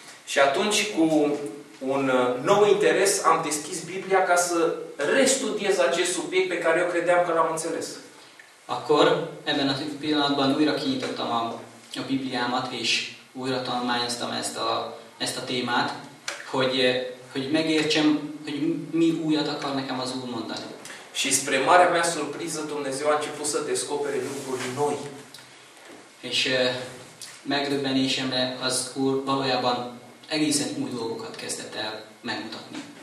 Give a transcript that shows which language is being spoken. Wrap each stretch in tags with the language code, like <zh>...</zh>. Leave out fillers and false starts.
<ro>Și atunci cu un nou interes am deschis Biblia ca să restudiez acest subiect pe care eu credeam că l-am înțeles.</ro> <hu>Akkor ebben a pillanatban újra kinyitottam a Bibliámat és újra tanulmányoztam ezt a témát, hogy megértsem, hogy mi újat akar nekem az Úr mondani.</hu> <ro>Și spre marea mea surpriză, Dumnezeu a început să descopere lucruri noi.</ro> <hu>És megdöbbenésemre az Úr valójában egészen új dolgokat kezdett el megmutatni.</hu>